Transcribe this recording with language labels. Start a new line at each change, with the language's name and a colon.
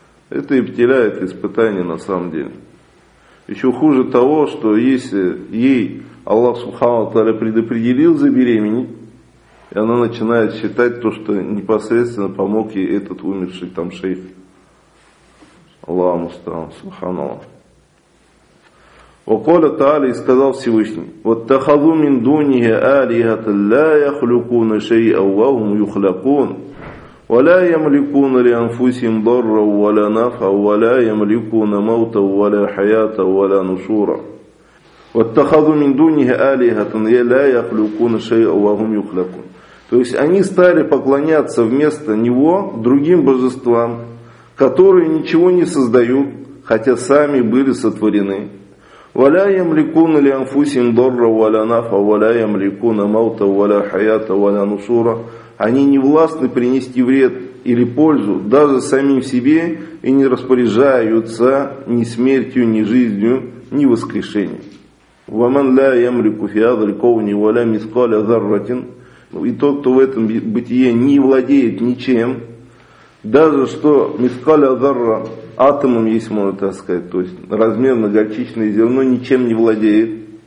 Russian: Это ибтиля, это испытание на самом деле. Еще хуже того, что если ей Аллах Субхану Тааля предопределил забеременеть, и она начинает считать то, что непосредственно помог ей этот умерший там шейх. Аллаху Акбар, Субхану Аллах. Уколя Тааля и сказал Всевышний,
Arabic: «Вот тахаду мин дунья алията ля яхлюкуна шей аввахум юхлякун». ولا يملكون لأنفسهم ضرا ولا نفعا ولا يملكون موتا ولا حياة ولا نشورا واتخذوا من دونه آلهة لا يخلقون شيئا وهم يخلقون.
Russian: То есть они стали поклоняться вместо него другим божествам, которые ничего не создают, хотя сами были сотворены.
Arabic: ولا يملكون لأنفسهم ضرا ولا نفعا ولا يملكون موتا ولا حياة ولا نشورا.
Russian: Они не властны принести вред или пользу даже самим себе и не распоряжаются ни смертью, ни жизнью, ни воскрешением.
Arabic: وَمَنْ لَا يَمْلِكُ فِي هَذَا الْكَوْنِ وَلَا مِثْقَالَ ذَرَّةٍ.
Russian: И тот, кто в этом бытие не владеет ничем, даже что мискаля зарра, атомом есть, можно так сказать, то есть размерно горчичное зерно, ничем не владеет.